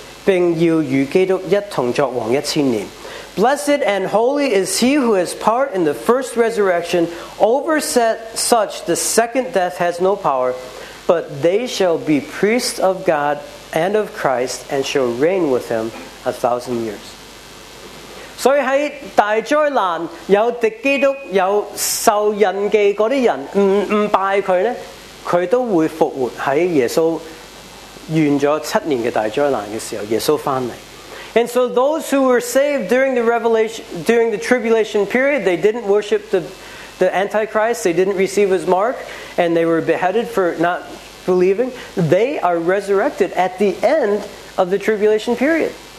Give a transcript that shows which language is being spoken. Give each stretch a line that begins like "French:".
Chinese: 在头一次复活有份的有复了，圣洁了。第二次的死在他们身上没有权柄，他们必作神和基督的祭司，并要与基督一同作王1,000年。
English: Blessed and holy is he who has part in the first resurrection, over such the second death has no power, but they shall be priests of God and of Christ, and shall reign with him 1,000 years.
Chinese: 所以在大灾难有敌基督有受印记那些人，不拜他，他都会复活在耶稣完了7年的大灾难的时候，耶稣回来。
English: And so those who were saved during the tribulation period, they didn't worship the Antichrist, they didn't receive his mark, and they were beheaded for not believing, they are resurrected at the end of the tribulation period.